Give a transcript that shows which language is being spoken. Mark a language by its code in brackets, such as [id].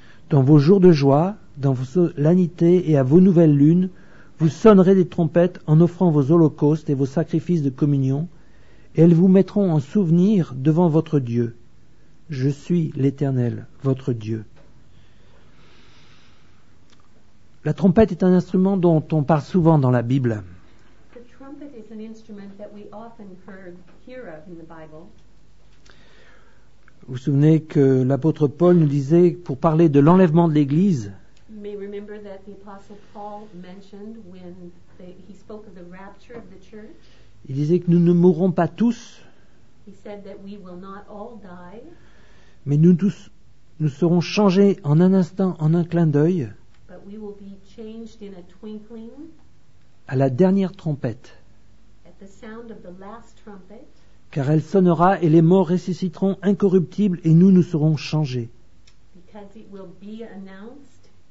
[fr] Dans vos jours de joie, dans vos solennités et à vos nouvelles lunes, vous sonnerez des trompettes en offrant vos holocaustes et vos sacrifices de communion, et elles vous mettront en souvenir devant votre Dieu. Je suis l'Éternel, votre Dieu. La trompette est un instrument dont on parle souvent dans la Bible. [en] The an instrument that we often hear of in the Bible. [fr] Vous vous souvenez que l'apôtre Paul nous disait, pour parler de l'enlèvement de l'Église, [en] you may remember that the apostle Paul mentioned when he spoke of the rapture of the church. [fr] Il disait que nous ne mourrons pas tous. [en] He said that we will not all die. [fr] Mais nous tous, nous serons changés en un instant, en un clin d'œil. [en] But we will be changed in a twinkling. [fr] À la dernière trompette. [en] At the sound of the last trumpet. [fr] Car elle sonnera et les morts ressusciteront incorruptibles et nous serons changés. [en] Because it will be announced.